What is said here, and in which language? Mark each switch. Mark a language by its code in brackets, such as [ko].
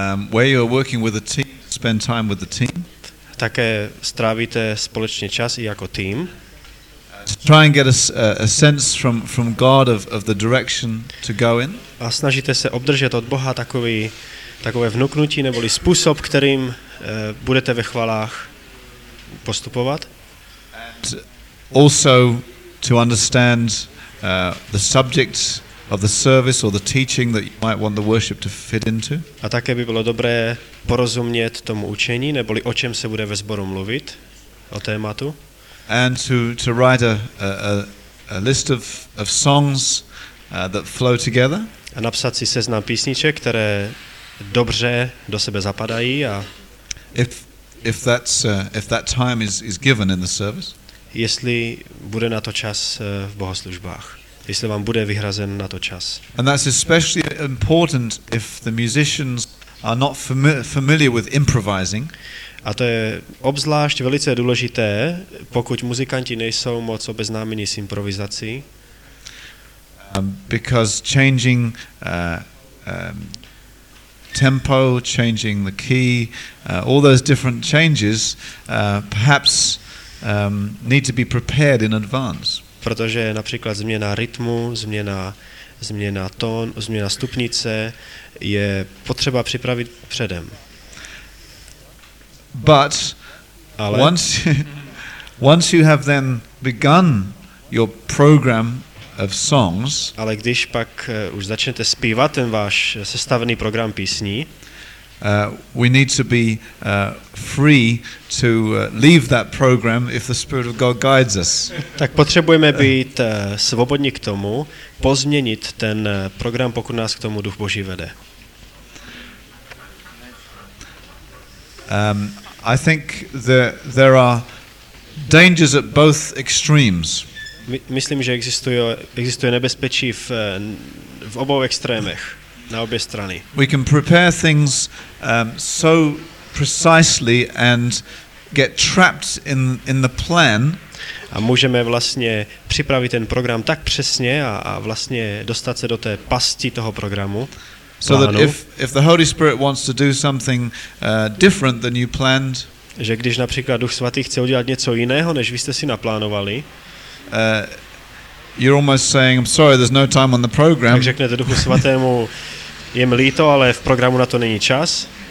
[en] Where you are working with a team, spend time with the team. [cs] Také strávíte společně čas i jako tým. [en] To try and get a sense from God of the direction to go in. [cs] A snažíte se obdržet od Boha takové vnuknutí neboli způsob, kterým budete ve chválách postupovat. [en] And also to understand the subject of the service or the teaching that you might want the worship to fit into. [cs] A také by bylo dobré porozumět tomu učení, neboli o čem se bude ve sboru mluvit, o tématu. [en] And to write a list of songs that flow together. [cs] A napsat si seznam písniček, které dobře do sebe zapadají a [en] if that time is given in the service. [cs] Jestli bude na to čas v bohoslužbách. Jestli vám bude vyhrazen na to čas. [en] And that's especially important if the musicians are not familiar with improvising. [cs] A to je obzvlášť velice důležité, pokud muzikanti nejsou moc obeznámeni s improvizací. [en] Because changing tempo, changing the key, all those different changes perhaps need to be prepared in advance. [cs] Protože například změna rytmu, změna tón, změna stupnice je potřeba připravit předem. [en] But [cs] ale [en] once you have then begun your program of songs, [cs] ale když pak už začnete zpívat ten váš sestavený program písní, [en] We need to be free to leave that program if the Spirit of God guides us. [cs] Tak potřebujeme být svobodní k tomu, pozměnit ten program, pokud nás k tomu Duch Boží vede. [en] I think there are dangers at both extremes. [cs] Myslím, že existuje nebezpečí v obou extrémech. Na obě strany. [en] We can prepare things so precisely and get trapped in the plan. [cs] A můžeme vlastně připravit ten program tak přesně a vlastně dostat se do té pasti toho programu. [en] So that if the Holy Spirit wants to do something different than you planned, [cs] že když například Duch Svatý chce udělat něco jiného, než vy jste si naplánovali, [en] you're almost saying, I'm sorry, there's no time on the program. [cs] Tak řeknete Duchu Svatému, je mi líto, ale v programu na to není čas.